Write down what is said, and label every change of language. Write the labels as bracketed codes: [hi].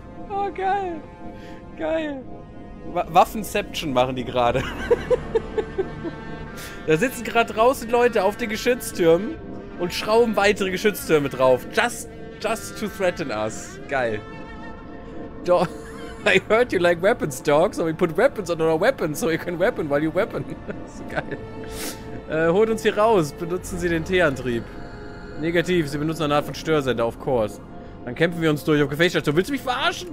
[de] Oh, geil. Geil. Waffenception machen die gerade. Da sitzen gerade draußen Leute auf den Geschütztürmen und schrauben weitere Geschütztürme drauf. [en] Just to threaten us. [de] Geil. [en] I heard you like weapons, dog. So we put weapons on our weapons, so you can weapon while you weapon. [de] Das ist geil. Holt uns hier raus. Benutzen Sie den T-Antrieb. Negativ. Sie benutzen eine Art von Störsender, [en] of course. [de] Dann kämpfen wir uns durch auf Gefechtsstation. Willst du mich verarschen?